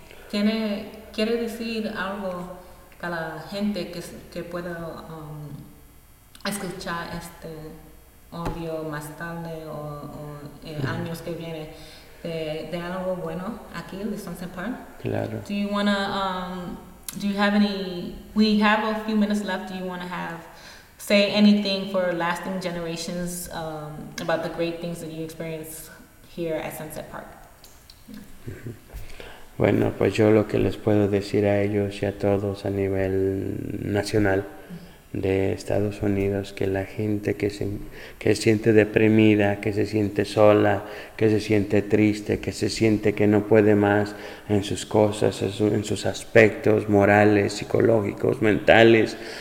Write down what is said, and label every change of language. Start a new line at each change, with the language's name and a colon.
Spanish: ¿Quiere decir algo a la gente que pueda escuchar este audio más tarde o años que viene de algo bueno aquí en Sunset Park? Claro.
English: Do you wanna do you have any we have a few minutes left. Do you wanna have say anything for lasting generations about the great things that you experience here at Sunset Park?
Spanish: Bueno, pues yo lo que les puedo decir a ellos y a todos a nivel nacional de Estados Unidos, que la gente que siente deprimida, que se siente sola, que se siente triste, que se siente que no puede más en sus cosas, en sus aspectos morales, psicológicos, mentales,